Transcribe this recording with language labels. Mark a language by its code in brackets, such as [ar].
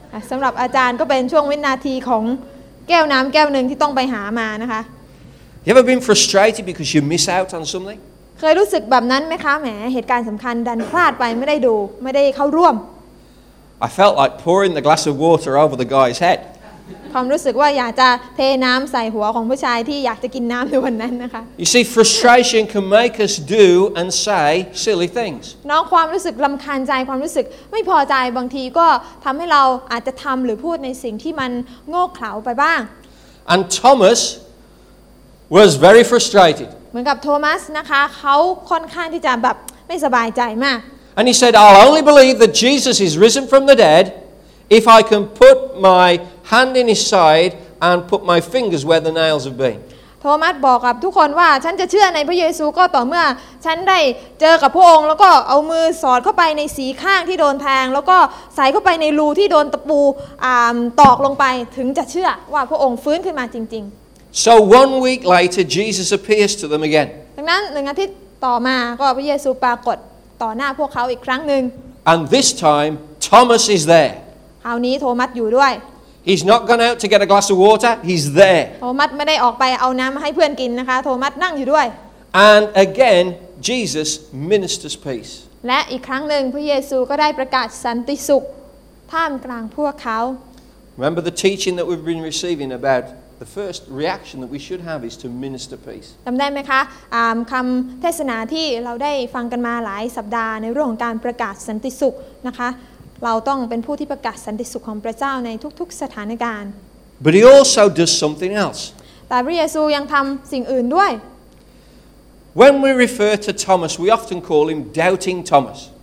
[th] สำหรับอาจารย์ก็เป็นช่วงวินาทีของแก้วน้ำแก้วหนึ่งที่ต้องไปหามานะคะ [en] You ever been frustrated because you miss out on something [th] เคยรู้สึกแบบนั้นไหมคะแหมเหตุการณ์สำคัญดันพลาดไปไม่ได้ดูไม่ได้เข้าร่วม [en] I felt like pouring the glass of water over the guy's head [th] ความรู้สึกว่าอยากจะเทน้ำใส่หัวของผู้ชายที่อยากจะกินน้ำในวันนั้นนะคะ [en] You see frustration can make us do and say silly things [th] น้องความรู้สึกรำคาญใจความรู้สึกไม่พอใจบางทีก็ทำให้เราอาจจะทำหรือพูดในสิ่งที่มันโง่เขลาไปบ้าง [en] And Thomas was very frustrated [th] เหมือนกับโทมัสนะคะเขาค่อนข้างที่จะแบบไม่สบายใจมาก [en] And he said I'll only believe that Jesus is risen from the deadIf I can put my hand in his side and put my fingers where the nails have been. [th] Thomas บอกกับทุกคนว่าฉันจะเชื่อในพระเยซูก็ต่อเมื่อฉันได้เจอกับพระองค์แล้วก็เอามือสอดเข้าไปในสีข้างที่โดนแทงแล้วก็ใส่เข้าไปในรูที่โดนตะปูตอกลงไปถึงจะเชื่อว่าพระองค์ฟื้นขึ้นมาจริง [en] ๆ So 1 week later, Jesus appears to them again. [th] ดังนั้น1 อาทิตย์ต่อมาก็พระเยซูปรากฏต่อหน้าพวกเขาอีกครั้งนึง [en] And this time, Thomas is there. [th] คราวนี้โทมัสอยู่ด้วย [en] He's not gone out to get a glass of water. He's there. [th] โทมัสไม่ได้ออกไปเอาน้ำให้เพื่อนกินนะคะโทมัสนั่งอยู่ด้วย [en] And again, Jesus ministers peace. [th] และอีกครั้งหนึ่งพระเยซูก็ได้ประกาศสันติสุขท่ามกลางพวกเขา [en] Remember the teaching that we've been receiving about the first reaction that we should have is to minister peace. [th] จำได้ไหมคะคำเทศนาที่เราได้ฟังกันมาหลายสัปดาห์ในเรื่องของการประกาศสันติสุขนะคะเราต้องเป็นผู้ที่ประกาศสันติสุขของพระเจ้าในทุกๆสถานการณ์ [en] But he also does something else. [th] แต่พระเยซูยังทำสิ่งอื่นด้วย [en] When we refer to Thomas, we often call him doubting Thomas.